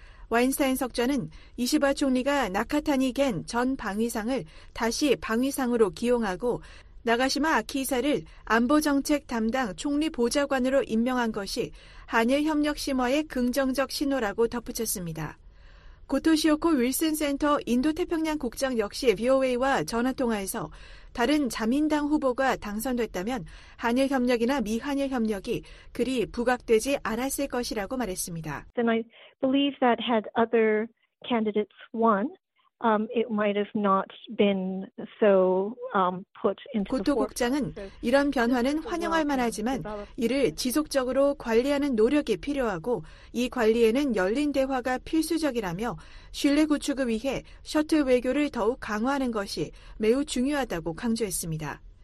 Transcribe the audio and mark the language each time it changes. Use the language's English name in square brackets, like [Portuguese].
[Korean] 와인스타인 석좌는 이시바 총리가 나카타니 겐 전 방위상을 다시 방위상으로 기용하고 나가시마 아키이사를 안보정책 담당 총리 보좌관으로 임명한 것이 한일 협력 심화의 긍정적 신호라고 덧붙였습니다. 고토시오코 윌슨 센터 인도태평양 국장 역시 VOA와 전화통화에서 다른 자민당 후보가 당선됐다면 한일 협력이나 미한일 협력이 그리 부각되지 않았을 것이라고 말했습니다. [English] Then I believe that had other candidates won, it might have not been so put into the forefront. [Korean] 고토 국장은 이런 변화는 환영할 만하지만 이를 지속적으로 관리하는 노력이 필요하고 이 관리에는 열린 대화가 필수적이라며 신뢰 구축을 위해 셔틀 외교를 더욱 강화하는 것이 매우 중요하다고 강조했습니다.